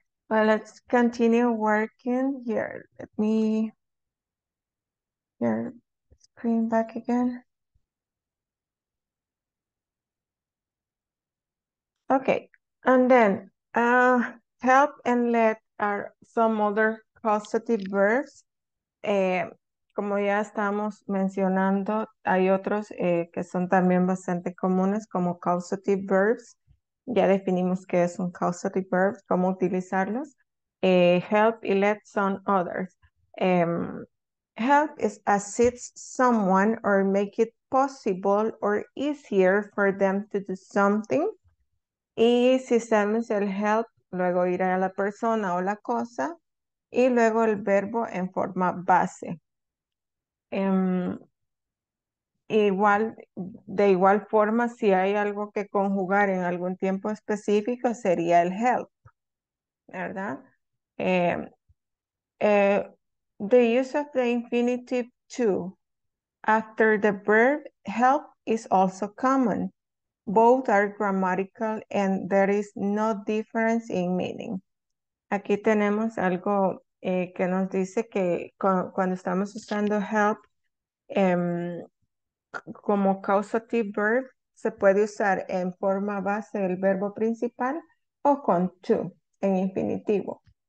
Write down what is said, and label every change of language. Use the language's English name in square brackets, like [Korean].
[English] Well, let's continue working here. Let me your screen back again. Okay, and then help and let are some other causative verbs. [Spanish] Como ya estamos mencionando, hay otros que son también bastante comunes como causative verbs. Ya definimos qué es un causative verb, cómo utilizarlos. [English] Help y let son others. Help is assist someone or make it possible or easier for them to do something. [Spanish] Y si usamos el help, luego irá a la persona o la cosa. Y luego el verbo en forma base. Igual, de igual forma, si hay algo que conjugar en algún tiempo específico, sería el help, ¿verdad? [English] The use of the infinitive to after the verb help is also common. Both are grammatical and there is no difference in meaning. [Spanish] Aquí tenemos algo que nos dice que cuando estamos usando help, como causative verb, se puede usar en forma base el verbo principal o con to, en infinitivo.